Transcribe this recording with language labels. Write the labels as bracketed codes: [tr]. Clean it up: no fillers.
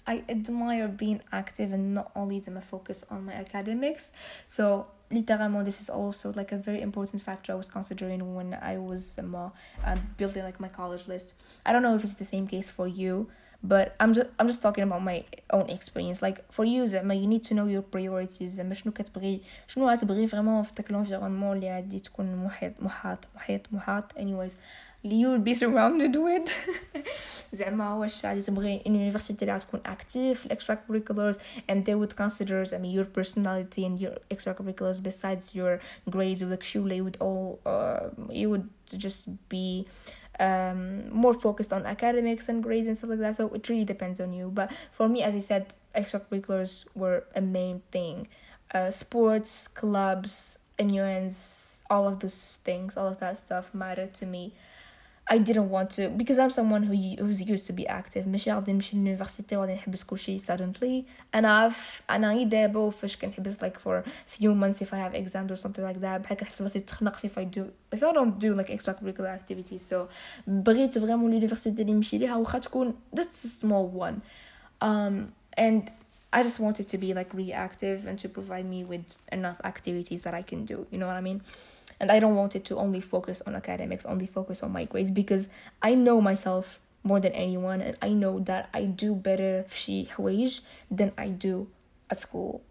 [en] I admire being active and not only to focus on my academics. So, Literally, this is also like a very important factor I was considering when I was building like my college list. I don't know if it's the same case for you, but I'm just talking about my own experience. Like for you, Zama, you need to know your priorities. [ar] Zama, شنو كتبغي شنو غتبغي فريمون في داك لافيرونمون اللي غادي تكون محاط anyways اللي [en] you'll be surrounded with. [ar] زعما واش غادي تبغي ان يونيفرسيتي اللي غتكون اكتيف في الاكسترا كوريكولرز [en] and they would consider I mean your personality and your extra curriculars besides your grades would actually would all you would just be more focused on academics and grades and stuff like that. So it really depends on you. But for me, as I said, extracurriculars were a main thing. Sports, clubs, annuals, all of those things, all of that stuff mattered to me. I didn't want to, because I'm someone who's used to be active. [ar] مش غادي نمشي للمدرسه وغادي نحبس كل شيء suddenly. انا غير دابا فاش كنحبس [en] like for few months if I have exams or something like that. [ar] بحال كنحس براسي تخنقت [en] if I don't do like extracurricular activities. [ar] So بغيت فريمون لليونيفرسيتي اللي نمشي ليها واخا تكون [en] just a small one. And I just wanted to be like really active and to provide me with enough activities that I can do. You know what I mean? And I don't want it to only focus on academics, only focus on my grades, because I know myself more than anyone, and I know that I do better [ar] في حوايج [en] than I do at school.